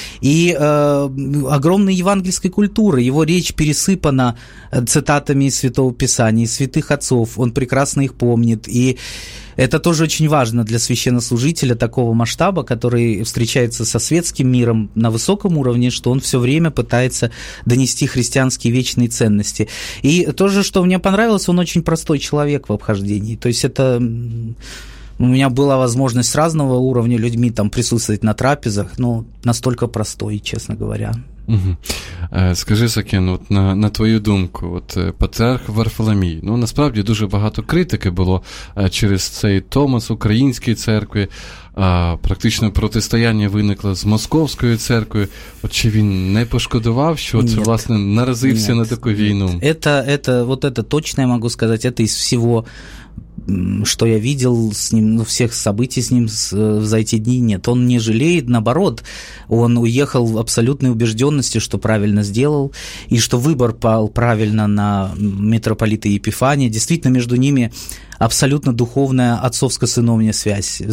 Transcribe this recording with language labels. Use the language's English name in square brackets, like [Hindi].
[Russian] И огромной евангельской культуры, его речь пересыпана цитатами из Святого Писания, из святых отцов, он прекрасно их помнит, и это тоже очень важно для священнослужителя такого масштаба, который встречается со светским миром на высоком уровне, что он все время пытается донести христианские вечные ценности. И то же, что мне понравилось, он очень простой человек в обхождении. То есть это у меня была возможность с разного уровня людьми там присутствовать на трапезах, но настолько простой, честно говоря. Угу. [Ukrainian] Скажи, Сакен, на твою думку, патріарх Варфоломій, насправді дуже багато критики було через цей Томас Української церкви, практично протистояння виникло з Московською церквою. Чи він не пошкодував, що це, власне, наразився на таку війну? Це точно я можу сказати, це із всього, [Russian] что я видел с ним, всех событий с ним за эти дни, нет, он не жалеет, наоборот, он уехал в абсолютной убежденности, что правильно сделал, и что выбор пал правильно на митрополита Епифания, действительно, между ними абсолютно духовная отцовско-сыновняя связь.